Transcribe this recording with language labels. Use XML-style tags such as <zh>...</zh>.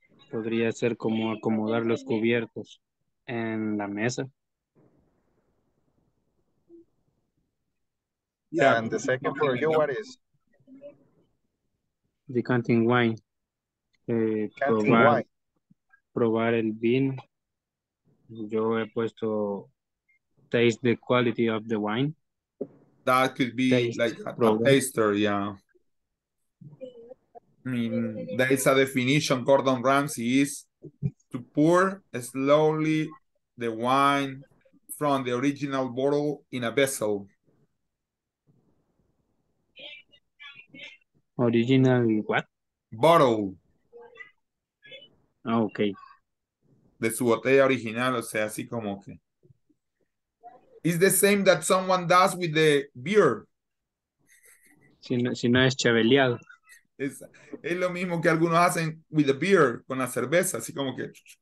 <es>Podría ser como acomodar los cubiertos en la mesa.</es> <en>Yeah, and the second for you, what is? Decanting wine.</en> <es>Probar el vino. Yo he puesto</es> <en>taste the quality of the wine. That could be taste, like a taster, yeah. I mean, there is a definition Gordon Ramsay is to pour slowly the wine from the original bottle in a vessel. Original what? Bottle. Okay.</en> <es>De su botella original, o sea, así como que.</es> <en>It's the same that someone does with the beer.</en> <es>Si no es chabeleado. Es lo mismo que algunos hacen</es> <en>with the beer,</en> <es>con la cerveza, así como que.</es>